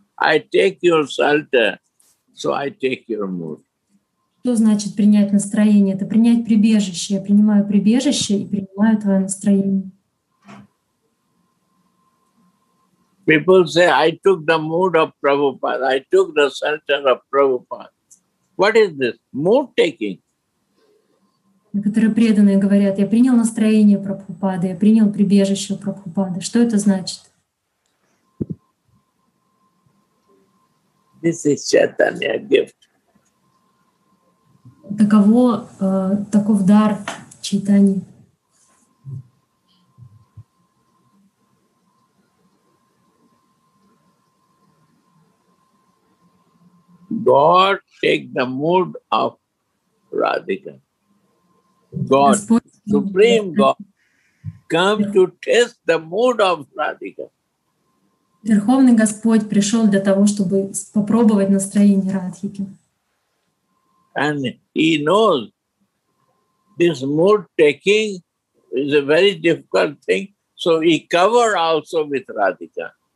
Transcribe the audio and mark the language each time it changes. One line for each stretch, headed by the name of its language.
English: I take your shelter, so I take your mood.
Russian: Что значит принять настроение? Это принять прибежище. Я принимаю прибежище и принимаю твое настроение.
English: People say, I took the mood of Prabhupada. I took the shelter of Prabhupada. What is this? Mood taking.
Russian: Некоторые преданные говорят, я принял настроение Прабхупады, я принял прибежище Прабхупады. Что это значит?
English: This is Chaitanya gift.
Russian: Таково, таков дар Чайтаньи.
English: God take the mood of Radhika. God, Supreme God, come to test the mood of Radhika.
Russian: Верховный Господь пришел для того, чтобы попробовать настроение Радхики.
English: And he knows this mood taking is a very difficult thing, so he cover also with Radhika.